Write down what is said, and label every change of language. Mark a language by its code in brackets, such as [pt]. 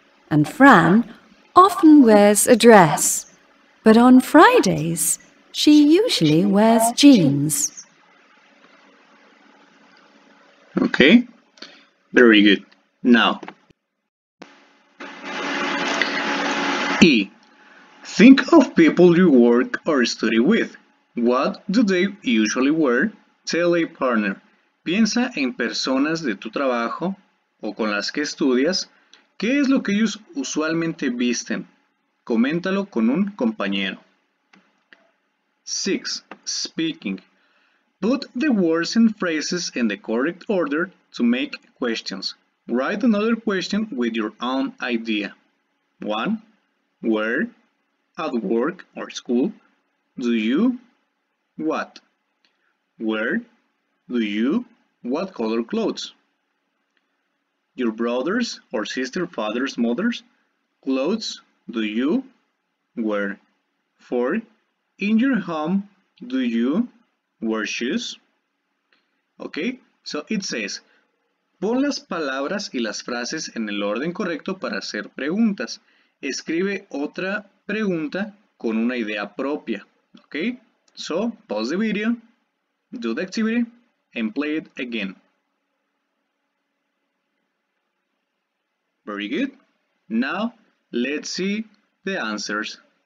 [en] And Fran often wears a dress, but on Fridays, she usually wears jeans. Okay, very good. Now, E. Think of people you work or study with. What do they usually wear? Tell a partner. [es] Piensa en personas de tu trabajo o con las que estudias. ¿Qué es lo que ellos usualmente visten? Coméntalo con un compañero. 6. Speaking. [en] Put the words and phrases in the correct order to make questions. Write another question with your own idea. 1. Where, at work or school, do you, what? Where, do you, what color clothes? Your brothers or sister, fathers, mothers, clothes, do you, wear? 4. In your home, do you wear shoes? Okay, so it says, [es] pon las palabras y las frases en el orden correcto para hacer preguntas. Escribe otra pregunta con una idea propia. [en] Okay, so pause the video, do the activity, and play it again. Very good. Now, let's see the answers.